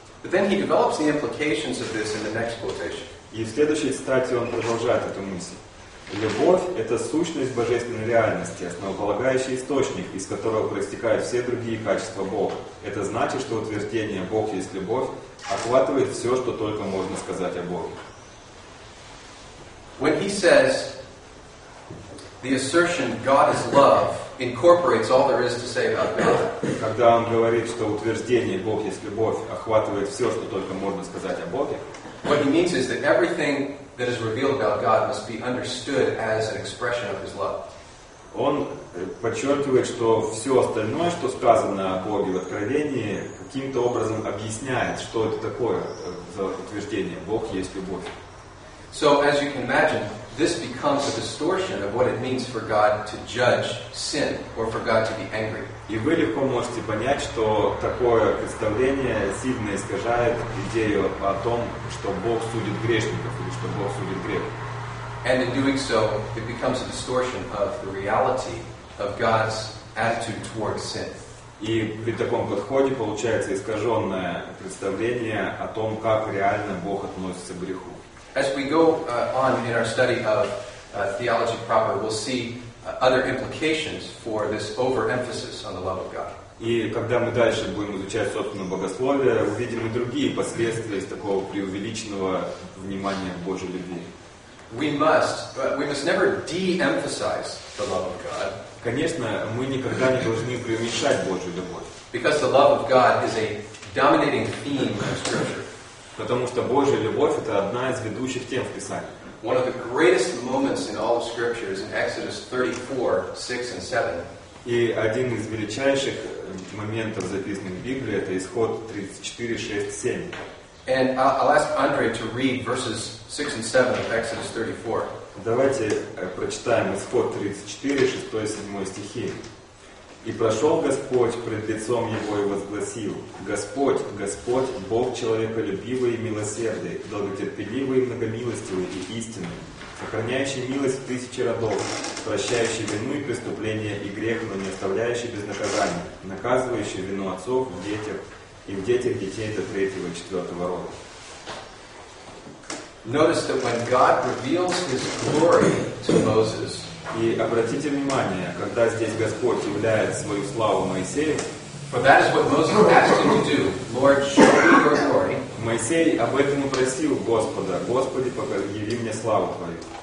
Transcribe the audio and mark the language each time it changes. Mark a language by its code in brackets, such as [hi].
[en] But then he develops the implications of this in the next quotation. [ru] И в следующей цитате он продолжает эту мысль: "Любовь — это сущность божественной реальности, основополагающий источник, из которого проистекают все другие качества Бога. Это значит, что утверждение Бог есть любовь" охватывает все, что только можно сказать о Боге. [en] When he says the assertion God is love incorporates all there is to say about God. [ru] Когда он говорит, что утверждение Бог есть любовь охватывает все, что только можно сказать о Боге. [en] What he means is that everything that is revealed about God must be understood as an expression of his love. [ru] он подчеркивает, что все остальное, что сказано о Боге в Откровении, каким-то образом объясняет, что это такое за утверждение «Бог есть любовь». [en] So, as you can imagine, this becomes a distortion of what it means for God to judge sin or for God to be angry. [ru] И вы легко можете понять, что такое представление сильно искажает идею о том, что Бог судит грешников или что Бог судит грех. [en] And in doing so, it becomes a distortion of the reality of God's attitude towards sin. [ru] И при таком подходе получается искаженное представление о том, как реально Бог относится к греху. [en] As we go on in our study of theology proper, we'll see other implications for this overemphasis on the love of God. [ru] И когда мы дальше будем изучать собственно богословие, увидим и другие последствия из такого преувеличенного внимания к Божьей любви. [en] We must never de-emphasize the love of God. [ru] Конечно, мы никогда не должны преуменьшать Божью любовь. [en] Because the love of God is a dominating theme of Scripture. [ru] Потому что Божья любовь — это одна из ведущих тем в Писании. [en] One of the greatest moments in all of Scripture is in Exodus 34, 6 and 7. [ru] И один из величайших моментов, записанных в Библии, это Исход 34, 6, 7. [en] And I'll ask Andre to read verses 6 and 7 of Exodus 34. [ru] Давайте прочитаем Исход 34, 6 и 7 стихи. «И прошел Господь пред лицом его и возгласил, Господь, Господь, Бог человеколюбивый и милосердный, долготерпеливый и многомилостивый и истинный, сохраняющий милость в тысячи родов, прощающий вину и преступления и грех, но не оставляющий без наказания, наказывающий вину отцов в детях и в детях детей до третьего и четвертого рода». [en] Notice that when God reveals His glory to Moses, [ru] и обратите внимание, когда здесь Господь являет свою славу Моисею, [en] for that is what Moses asked him to do. Lord, show me your glory. [ru] Моисей об этом и просил Господа: Господи, покажи мне славу Твою.